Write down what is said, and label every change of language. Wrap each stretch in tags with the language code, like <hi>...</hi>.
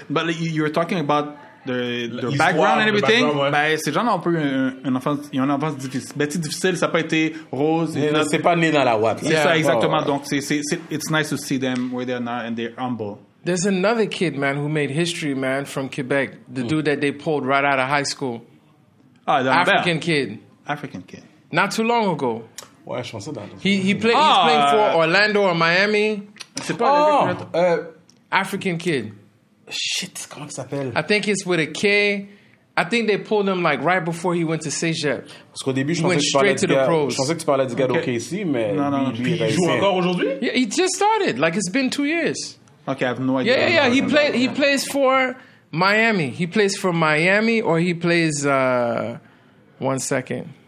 <en>But you're talking about their background and everything.</en> <fr>Ouais. Ben, ces gens-là ont eu une enfance difficile. Ben, c'est difficile, ça n'a pas été rose. Et c'est pas né dans la Watt. C'est ça, exactement. Donc, c'est</fr> <en>it's nice to see them where they are now and they're humble. There's another kid, man, who made history, man, from Quebec. The dude that they pulled right out of high school.</en> <fr>Ah, d'un</fr> <en>African kid. African kid. Not too long ago.</en> <fr>Ouais, je pensais dans</fr> <en>He played. Oh, he's playing for Orlando or Miami.</en> <fr>C'est pas un</fr> <en>African kid.</en> <fr>Shit, comment ça s'appelle?</fr> <en>I think it's with a K. I think they pulled him like right before he went to Cégep.</en> <fr>Parce qu'au début, je pensais que tu parlais du gars d'OKC, mais... Il joue encore aujourd'hui?</fr> <en>Yeah, he just started. Like, it's been 2 years. Okay, I have no idea. Yeah. He plays for Miami. He plays for Miami or he plays... 1 second.</en>